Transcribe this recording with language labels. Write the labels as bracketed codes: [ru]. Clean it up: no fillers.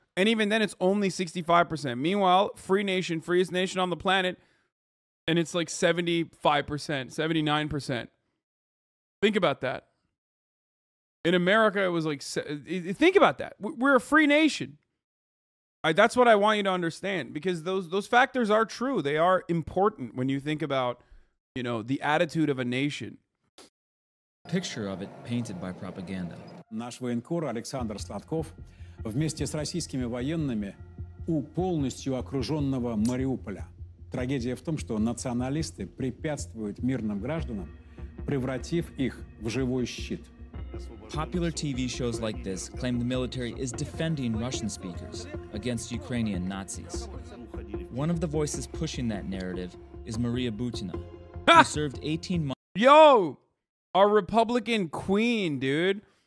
[en] And even then, it's only 65%. Meanwhile, free nation, freest nation on the planet, and it's like 75%, 79%. Think about that. In America, it was like, think about that. We're a free nation. That's what I want you to understand, because those factors are true. They are important when you think about, you know, the attitude of a nation. Picture of it painted by propaganda. [ru] Наш военкор Александр Сладков вместе с российскими военными у полностью окруженного Мариуполя. Трагедия в том, что националисты препятствуют мирным гражданам, превратив их в живой щит. [en] Popular TV shows like this claim the military is defending Russian speakers against Ukrainian Nazis. One of the voices pushing that narrative is Maria Butina, who served 18 months... Yo! Our Republican queen, dude.